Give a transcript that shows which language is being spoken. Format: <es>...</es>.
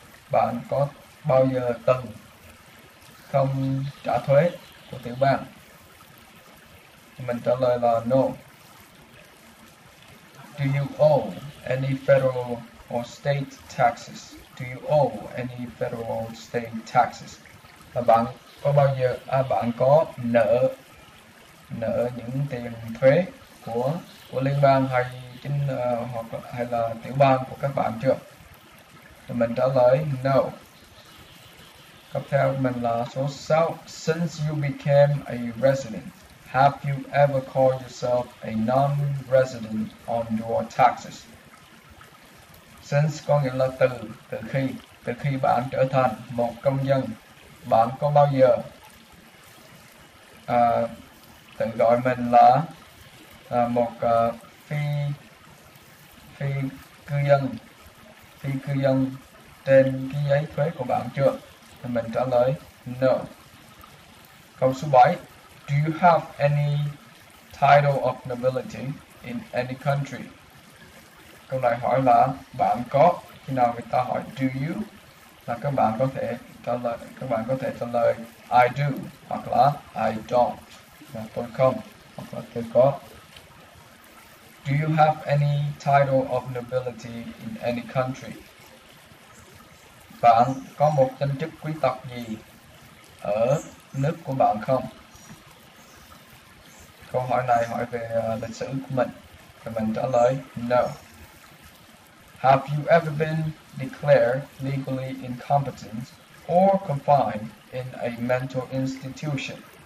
<vi>Bạn có bao giờ từng không trả thuế của tiểu bang? Mình trả lời là no.</vi> <en>Do you owe any federal or state taxes? Do you owe any federal or state taxes?</en> <vi>Là bạn có bao giờ bạn có nợ những tiền thuế của liên bang hay chính hoặc hay là tiểu bang của các bạn chưa? Thì mình trả lời no. Câu theo mình là số 6.</vi> <en>Since you became a resident, have you ever called yourself a non-resident on your taxes?</en> <vi>Since có nghĩa là từ khi bạn trở thành một công dân, bạn có bao giờ tự gọi mình là một phi cư dân trên cái giấy thuế của bạn chưa? Mình trả lời no. Câu số 7.</vi> <en>Do you have any title of nobility in any country?</en> <vi>Câu này hỏi là bạn có, khi nào người ta hỏi</vi> <en>do you</en> <vi>là các bạn có thể trả lời</vi> <en>I do</en> <vi>hoặc là</vi> <en>I don't,</en> <vi>là tôi không hoặc là tôi có.</vi> <en>Do you have any title of nobility in any country?</en> <vi>Bạn có một danh chức quý tộc gì ở nước của bạn không? Câu hỏi này hỏi về lịch sử của mình. Thì mình trả lời no.</vi> <en>Have you ever been declared legally incompetent or confined in a mental institution?</en>